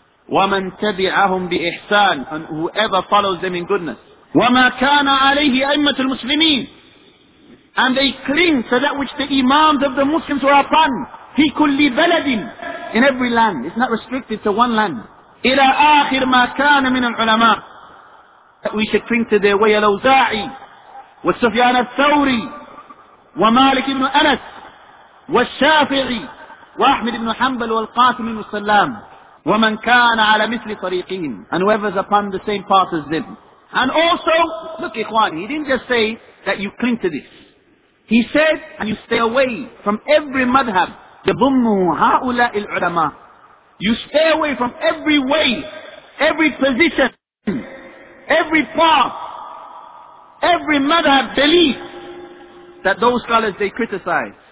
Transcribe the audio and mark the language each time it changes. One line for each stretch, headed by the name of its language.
Arabic: وَمَنْ تَبِعَهُمْ بِإِحْسَانِ.
English: And whoever follows them in goodness.
Arabic: وَمَا كَانَ عَلَيْهِ أَئِمَّةُ الْمُسْلِمِينَ.
English: And they cling to that which the imams of the Muslims were upon.
Arabic: في كل بلد.
English: In every land. It's not restricted to one land.
Arabic: إلى آخر ما كان من العلماء.
English: That we should cling to their way.
Arabic: الأوزاعي والسفيان الثوري ومالك بن أنس والشافعي وأحمد بن حنبل والقاسم بن سلام. ومن كان على مثل طريقين.
English: And whoever's upon the same path as them. And also, look, إخواني, he didn't just say that you cling to this. He said, and you stay away from every madhab.
Arabic: تَضُمُّهُ هَؤُلَاءِ الْعُلَمَاءِ.
English: You stay away from every way, every position, every path, every madhab belief that those scholars they criticize.